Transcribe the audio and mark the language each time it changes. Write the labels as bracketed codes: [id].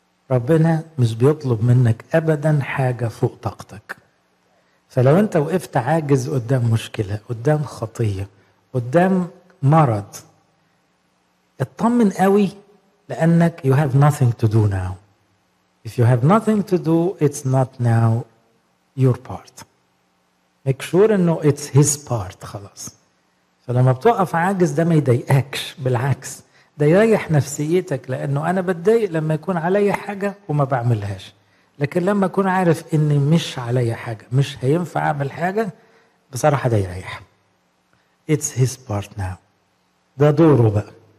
[ar] ربنا مش بيطلب منك أبدا حاجة فوق طاقتك، فلو أنت وقفت عاجز قدام مشكلة، قدام خطية، قدام مرض، اطمن قوي، لأنك [en] you have nothing to do now. If you have nothing to do, it's not now your part. Make sure [ar] إنه [en] it's his part [ar] خلاص. فلما بتوقف عاجز ده ما يضايقكش، بالعكس ده يريح نفسيتك، لأنه أنا بتضايق لما يكون علي حاجة وما بعملهاش، لكن لما أكون عارف أني مش علي حاجة، مش هينفع أعمل حاجة، بصراحة ده يريح. [en] It's his part now، [ar] ده دوره بقى.